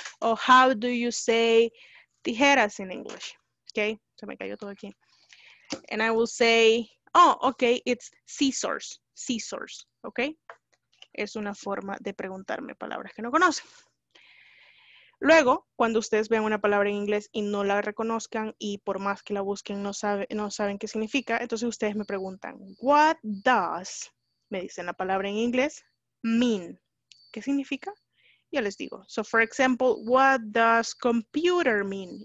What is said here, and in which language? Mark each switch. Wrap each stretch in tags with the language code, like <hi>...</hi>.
<en>O how do you say tijeras in English? ¿Ok?</en> <es>Se me cayó todo aquí.</es> <en>And I will say, oh, ok, it's scissors. Scissors, ¿ok?</en> <es>Es una forma de preguntarme palabras que no conocen. Luego, cuando ustedes vean una palabra en inglés y no la reconozcan y por más que la busquen no saben qué significa, entonces ustedes me preguntan,</es> <en>what does,</en> <es>me dicen la palabra en inglés,</es> <en>mean?</en> <es>¿Qué significa? Yo les digo,</es> <en>so for example, what does computer mean?</en>